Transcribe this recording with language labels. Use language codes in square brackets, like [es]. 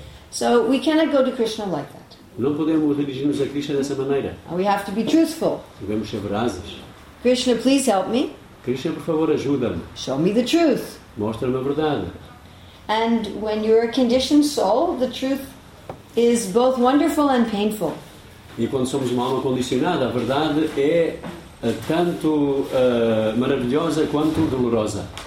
[en] So we cannot go to Krishna like that. [pt] Não podemos dirigir-nos a Krishna dessa maneira. [en] We have to be truthful. [pt] Devemos ser verazes. [en] Krishna, please help me. [pt] Krishna, por favor, ajuda-me. [en] Show me the truth. [pt] Mostra-me a verdade. [en] And when you're a conditioned soul, the truth is both wonderful and painful. [pt] E quando somos uma alma condicionada, a verdade é tanto maravilhosa quanto dolorosa.